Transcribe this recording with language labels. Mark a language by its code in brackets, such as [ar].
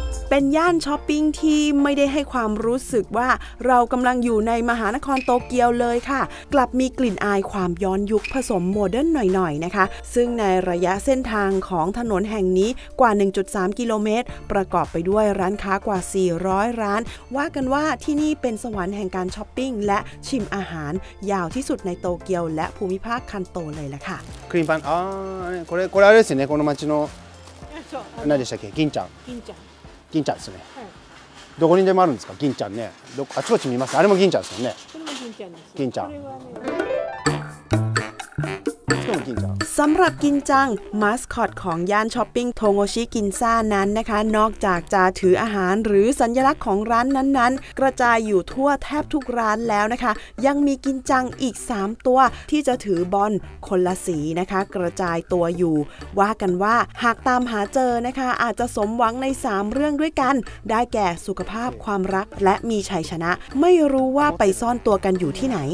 [th] เป็นย่านช้อปปิ้งที่ไม่ได้ให้ความรู้สึกว่าเรากำลังอยู่ในมหานครโตเกียวเลยค่ะกลับมีกลิ่นอายความย้อนยุคผสมโมเดิร์นหน่อยๆนะคะซึ่งในระยะเส้นทางของถนนแห่งนี้กว่า 1.3 กิโลเมตรประกอบไปด้วยร้านค้ากว่า400ร้านว่ากันว่าที่นี่เป็นสวรรค์แห่งการช้อปปิ้งและชิมอาหารยาวที่สุดในโตเกียวและภูมิภาคคันโตเลยล่ะค่ะ [ja] คริมปันこれあれですねこの町の何でしたっけ銀ちゃん銀ちゃん銀ちゃんですね、はい、どこにでもあるんですか銀ちゃんねどあちこち見ますあれも銀ちゃんですよねこれも銀ちゃんです銀ちゃんこれはね [th] สำหรับกินจังมาสคอตของย่านช้อปปิ้งโทโงชิกินซ่านั้นนะคะนอกจากจะถืออาหารหรือสัญลักษณ์ของร้านนั้นๆกระจายอยู่ทั่วแทบทุกร้านแล้วนะคะยังมีกินจังอีก3ตัวที่จะถือบอลคนละสีนะคะกระจายตัวอยู่ว่ากันว่าหากตามหาเจอนะคะอาจจะสมหวังใน3เรื่องด้วยกันได้แก่สุขภาพความรักและมีชัยชนะไม่รู้ว่าไปซ่อนตัวกันอยู่ที่ไหน